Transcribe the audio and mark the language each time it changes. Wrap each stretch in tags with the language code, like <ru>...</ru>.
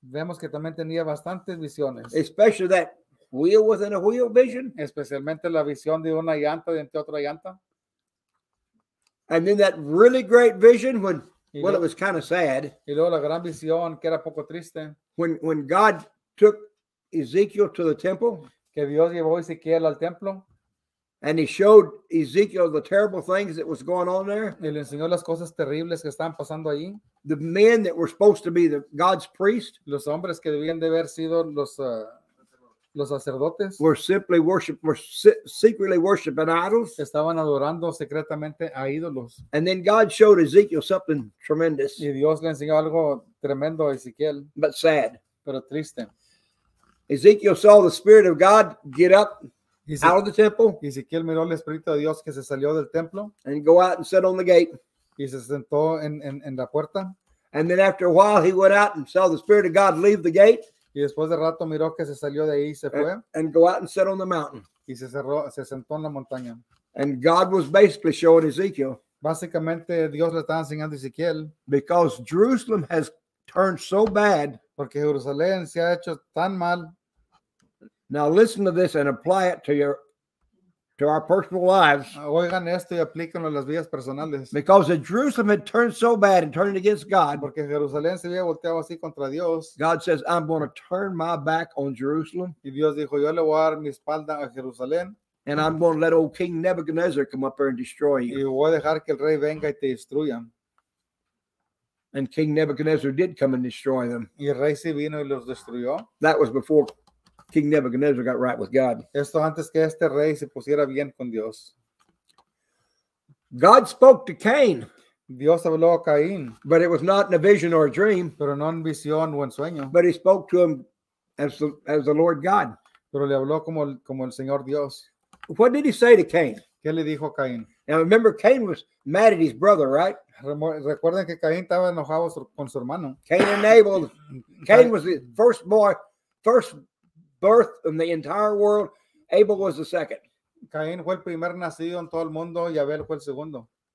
<es>Vemos que también tenía bastantes visiones.</es> <en>Especially that wheel within a wheel vision.</en> <es>Especialmente la visión de una llanta dentro de otra llanta.</es> <en>And then that really great vision when. Well, it was kind of sad.</en> <es>Y luego la gran visión, que era poco triste.</es> <en>When God took Ezekiel to the temple.</en> <es>Que Dios llevó a Ezequiel al templo.</es> <en>And he showed Ezekiel the terrible things that was going on there.</en> <es>Y le enseñó las cosas terribles que estaban pasando allí.</es> <en>The men that were supposed to be the God's priest.</en> <es>Los hombres que debían de haber sido los sacerdotes.</es> <en>Were secretly worshiping idols.</en> <es>Estaban adorando secretamente a ídolos.</es> <en>And then God showed Ezekiel something tremendous.</en> <es>Y Dios le enseñó algo tremendo a Ezequiel.</es> <en>But sad.</en> <es>Pero triste.</es> <en>Ezekiel saw the Spirit of God get up out of the temple.</en> <es>Ezequiel miró el Espíritu de Dios que se salió del templo.</es> <en>And go out and sit on the gate.</en> <es>Y se sentó en la puerta.</es> <en>And then after a while he went out and saw the Spirit of God leave the gate.</en> <es>Y después de rato miró que se salió de ahí y se fue.</es> <en>And go out and sit on the mountain.</en> <es>Y se sentó en la montaña.</es> <en>And God was basically showing Ezekiel.</en> <es>Básicamente Dios le estaba enseñando a Ezequiel.</es> <en>Because Jerusalem has turned so bad.</en> <es>Porque Jerusalén se ha hecho tan mal.</es> <en>Now listen to this and apply it to your to our personal lives.</en> <es>Oigan esto y aplíquenlo a las vidas personales.</es> <en>Because if Jerusalem had turned so bad and turned against God,</en> <es>porque Jerusalén se había volteado así contra Dios,</es> <en>God says, I'm going to turn my back on Jerusalem.</en> <es>Y Dios dijo, yo le voy a dar mi espalda a Jerusalén.</es> <en>And I'm going to let old King Nebuchadnezzar come up there and destroy you.</en> <es>Y voy a dejar que el rey venga y te destruya.</es> <en>And King Nebuchadnezzar did come and destroy them.</en> <es>Y el rey sí vino y los destruyó.</es> <en>That was before King Nebuchadnezzar got right with God.</en> <es>Esto antes que este rey se pusiera bien con Dios.</es> <en>God spoke to Cain.</en> <es>Dios habló a Caín.</es> <en>But it was not in a vision or a dream.</en> <es>Pero no en visión o en sueño.</es> <en>But he spoke to him as the Lord God.</en> <es>Pero le habló como el Señor Dios.</es> <en>What did he say to Cain?</en> <es>¿Qué le dijo a Caín?</es> <en>Now remember, Cain was mad at his brother, right?</en> <es>Recuerden que Caín estaba enojado con su hermano.</es> <en>Cain and Abel. Cain was the first boy, first birth in the entire world. Abel was the second.</en> <es>Caín fue el primer nacido en todo el mundo y Abel fue el segundo.</es>